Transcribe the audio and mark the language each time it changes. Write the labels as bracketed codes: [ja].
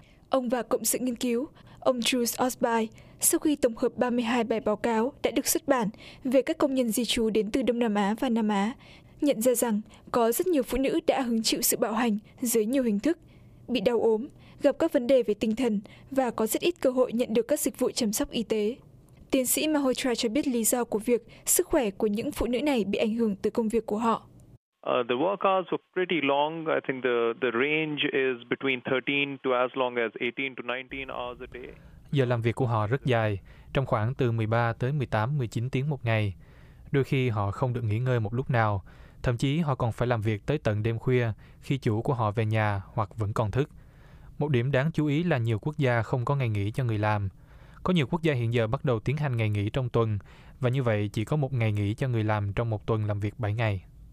[vi] Ông và cộng sự nghiên cứu, ông Jules Osby, sau khi tổng hợp 32 bài báo cáo đã được xuất bản về các công nhân di trú đến từ Đông Nam Á và Nam Á, nhận ra rằng có rất nhiều phụ nữ đã hứng chịu sự bạo hành dưới nhiều hình thức, bị đau ốm, gặp các vấn đề về tinh thần và có rất ít cơ hội nhận được các dịch vụ chăm sóc y tế. Tiến sĩ Mahotra cho biết lý do của việc sức khỏe của những phụ nữ này bị ảnh hưởng từ công việc của họ. [en] The work hours were pretty long. I think the range is between 13 to as long as 18 to 19 hours a day. [vi] Giờ làm việc của họ rất dài, trong khoảng từ 13 tới 18, 19 tiếng một ngày. Đôi khi họ không được nghỉ ngơi một lúc nào, thậm chí họ còn phải làm việc tới tận đêm khuya khi chủ của họ về nhà hoặc vẫn còn thức. Một điểm đáng chú ý là nhiều quốc gia không có ngày nghỉ cho người làm. Có nhiều quốc gia hiện giờ bắt đầu tiến hành ngày nghỉ trong tuần, và như vậy chỉ có một ngày nghỉ cho người làm trong một tuần làm việc 7 ngày.